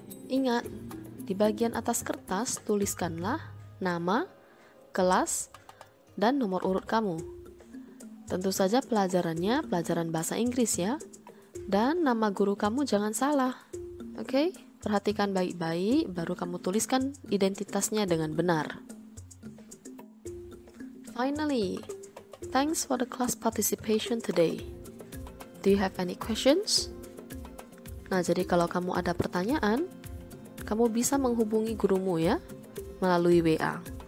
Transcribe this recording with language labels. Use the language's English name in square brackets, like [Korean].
[Indonesian] Ingat, di bagian atas kertas tuliskanlah nama, kelas, dan nomor urut kamu. Tentu saja pelajarannya pelajaran bahasa Inggris ya. Dan nama guru kamu jangan salah. Oke, perhatikan baik-baik, baru kamu tuliskan identitasnya dengan benar. [English] Finally, thanks for the class participation today. Do you have any questions? [Indonesian] Nah, jadi kalau kamu ada pertanyaan, kamu bisa menghubungi gurumu ya, melalui WA.